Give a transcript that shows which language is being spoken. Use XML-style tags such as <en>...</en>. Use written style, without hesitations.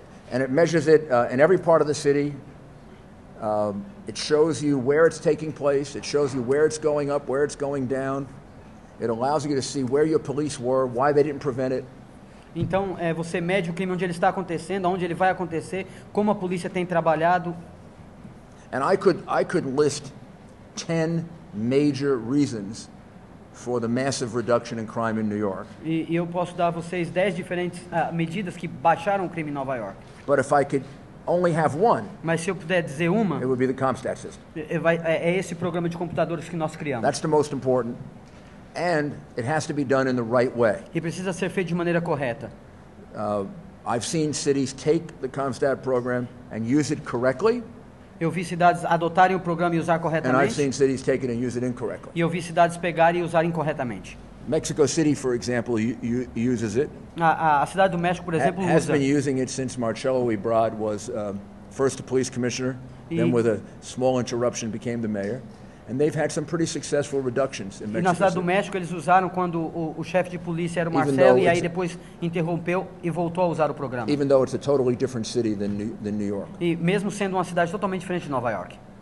<en>And it measures it in every part of the city. It shows you where it's taking place. It shows you where it's going up, where it's going down. It allows you to see where your police were, why they didn't prevent it.</en> <pt>Então, você mede o crime onde ele está acontecendo, onde ele vai acontecer, como a polícia tem trabalhado.</pt> <en>And I could list 10 major reasons for the massive reduction in crime in New York.</en> <pt>E eu posso dar a vocês 10 diferentes medidas que baixaram o crime em Nova York.</pt> <en>But if I could only have one.</en> <pt>Mas se eu puder dizer uma,</pt> <en>it would be the Comstat system.</en> <pt>É esse programa de computadores que nós criamos.</pt> <en>That's the most important. And it has to be done in the right way.</en> <pt>E precisa ser feito de maneira correta.</pt> <en>I've seen cities take the Comstat program and use it correctly.</en> <pt>Eu vi cidades adotarem o programa e usar corretamente.</pt> <en>And I've seen cities take it and use it incorrectly.</en> <pt>E eu vi cidades pegarem e usarem incorretamente.</pt> <en>Mexico City, for example, uses it.</en> <pt>A cidade do México, por exemplo,</pt> <en>has been using it since Marcelo Ebrard was first a police commissioner, then with a small interruption became the mayor. And they've had some pretty successful reductions in Mexico.</en> <pt>E na cidade do México eles usaram quando o chefe de polícia era o Marcelo e aí depois interrompeu e voltou a usar o programa.</pt> <en>Even though it's a totally different city than New York.</en> <pt>E mesmo sendo uma cidade totalmente diferente de Nova York.</pt>